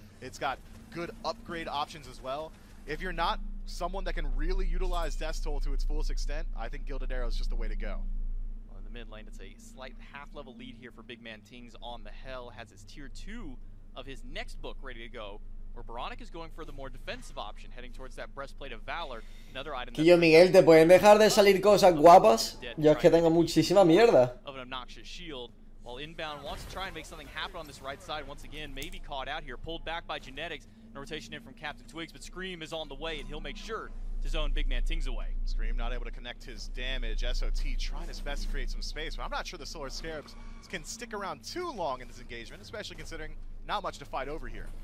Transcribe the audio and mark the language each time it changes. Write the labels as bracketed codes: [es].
[en] It's got good upgrade options as well. If you're not someone that can really utilize Death's Toll to its fullest extent, I think Gilded Arrow is just the way to go. Well, in the mid lane, it's a slight half-level lead here for Big Man Tings on the Hell. Has his tier 2 of his next book ready to go. Where Baronic is going for the more defensive option, heading towards that breastplate of valor. Another item. [es] Quillo, Miguel, ¿te pueden dejar de salir cosas guapas? Yo es que tengo muchísima mierda. [en] Of an obnoxious shield, Well, inbound wants to try and make something happen on this right side once again. Maybe caught out here, pulled back by Genetics. No rotation in from Captain Twigs, but Scream is on the way, and he'll make sure to zone big man Tings away. Scream not able to connect his damage. SOT trying his best to create some space, but I'm not sure the Solar Scarabs can stick around too long in this engagement, especially considering not much to fight over here.